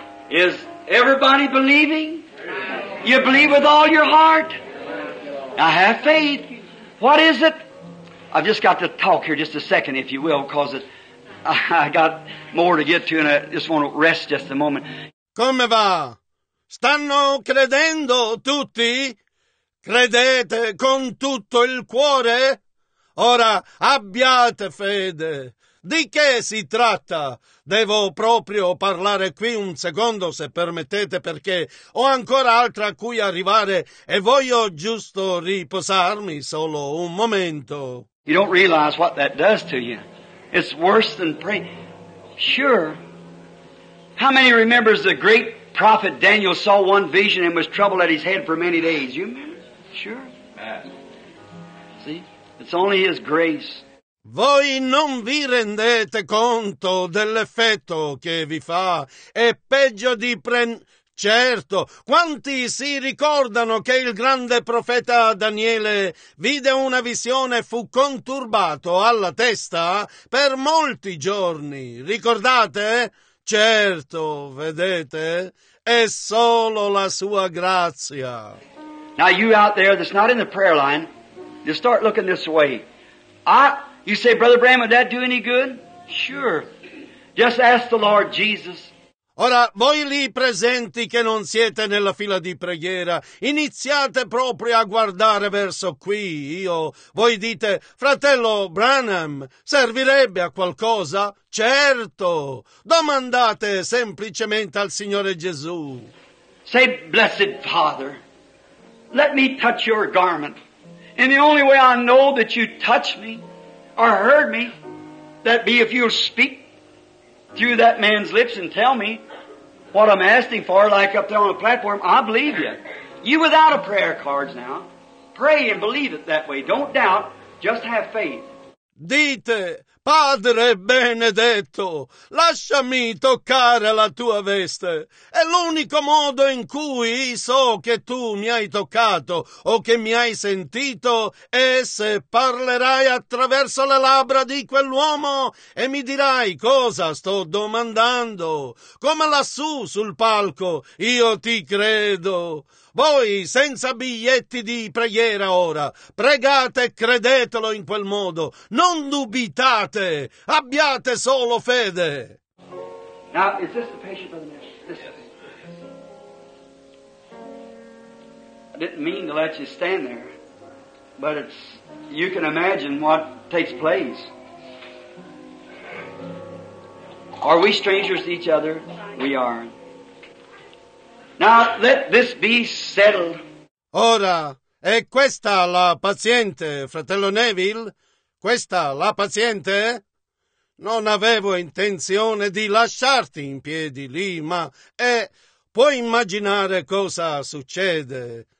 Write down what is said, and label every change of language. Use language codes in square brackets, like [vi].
[en] Is everybody believing? You believe with all your heart? I have faith. What is it? I've just got to talk here just a second, if you will, because I got more to get to and I just want to rest just a moment. [it] Come va? Stanno credendo tutti? Credete con tutto il cuore? Ora abbiate fede. Di che si tratta? Devo proprio parlare qui un secondo, se permettete, perché ho ancora altro a cui arrivare e voglio giusto riposarmi solo un momento. [en] You don't realize what that does to you. It's worse than praying. Sure. How many remembers the great prophet Daniel saw one vision and was troubled at his head for many days? You remember? Sure. See? It's only his grace. [it] Voi non vi rendete conto dell'effetto che vi fa? È peggio di Certo, quanti si ricordano che il grande profeta Daniele vide una visione e fu conturbato alla testa per molti giorni? Ricordate? Certo, vedete? È solo la sua grazia. [en] Now you out there that's not in the prayer line, you start looking this way. You say, Brother Branham, would that do any good? Sure. Just ask the Lord Jesus. [it] Ora, voi lì presenti che non siete nella fila di preghiera, iniziate proprio a guardare verso qui. Voi dite, fratello Branham, servirebbe a qualcosa? Certo! Domandate semplicemente al Signore Gesù. [en] Say, blessed Father, let me touch your garment. And the only way I know that you touched me or heard me, that be if you speak through that man's lips and tell me what I'm asking for, like up there on the platform, I believe you. You without a prayer cards now. Pray and believe it that way. Don't doubt. Just have faith. [it] Dite, Padre benedetto, lasciami toccare la tua veste. È l'unico modo in cui so che tu mi hai toccato o che mi hai sentito, e se parlerai attraverso le labbra di quell'uomo e mi dirai cosa sto domandando, come lassù sul palco, io ti credo. Voi, senza biglietti di preghiera ora, pregate e credetelo in quel modo. Non dubitate, abbiate solo fede. [en] Now, is this the patient of the minister? Yes. I didn't mean to let you stand there, but it's, you can imagine what takes place. Are we strangers to each other? We are. Now, let this be settled. [it] Ora, è questa la paziente, fratello Neville? Questa la paziente? Non avevo intenzione di lasciarti in piedi lì, ma puoi immaginare cosa succede?